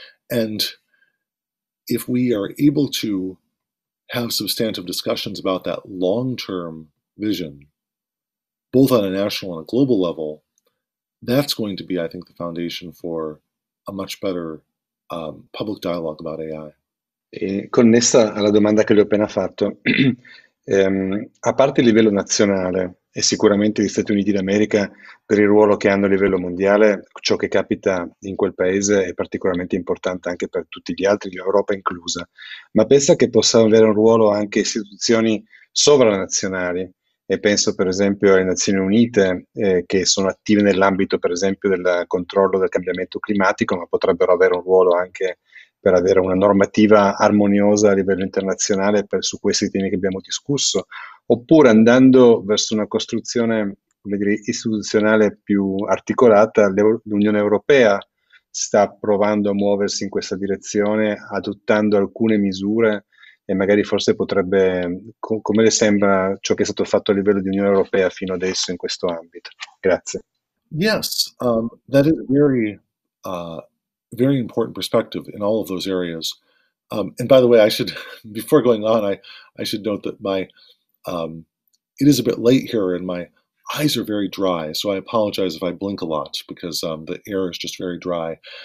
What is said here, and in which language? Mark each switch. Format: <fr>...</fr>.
<en>And if we are able to have substantive discussions about that long-term vision, both on a national and a global level, that's going to be, I think, the foundation for a much better public dialogue about AI.</en> <it>Connessa alla domanda che le ho appena fatto, a parte il livello nazionale e sicuramente gli Stati Uniti d'America per il ruolo che hanno a livello mondiale, ciò che capita in quel paese è particolarmente importante anche per tutti gli altri, l'Europa inclusa, ma pensa che possano avere un ruolo anche istituzioni sovranazionali? E penso per esempio alle Nazioni Unite che sono attive nell'ambito per esempio del controllo del cambiamento climatico, ma potrebbero avere un ruolo anche per avere una normativa armoniosa a livello internazionale su questi temi che abbiamo discusso, oppure andando verso una costruzione, come dire, istituzionale più articolata, l'Unione Europea sta provando a muoversi in questa direzione, adottando alcune misure e magari forse potrebbe, come le sembra ciò che è stato fatto a livello di Unione Europea fino adesso in questo ambito? Grazie.</it> <en>Yes, that is very... very important perspective in all of those areas. And by the way, I should, before going on, I should note that my it is a bit late here and my eyes are very dry, so I apologize if I blink a lot because the air is just very dry.</en>